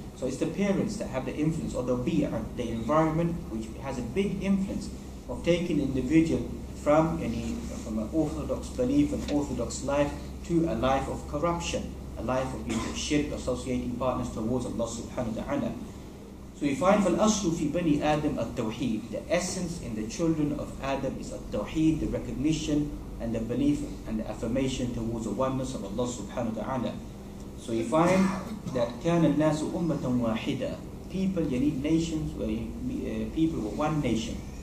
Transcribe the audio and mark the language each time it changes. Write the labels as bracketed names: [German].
[English] So it's the parents that have the influence, or the bi'ah, the environment, which has a big influence of taking an individual from an orthodox belief, an orthodox life, to a life of corruption, a life of being shirk, associating partners towards Allah subhanahu wa ta'ala. So we find, [Arabic] فَالْأَصْلُ فِي بَنِي آدَمْ التَّوْحِيدِ. [English] The essence in the children of Adam is التَّوْحِيدِ, the recognition and the belief and the affirmation towards the oneness of Allah subhanahu wa ta'ala. So we find that [Arabic] كَانَ النَّاسُ أُمَّةً وَاحِدًا. [English] People, you need nations, people were one nation.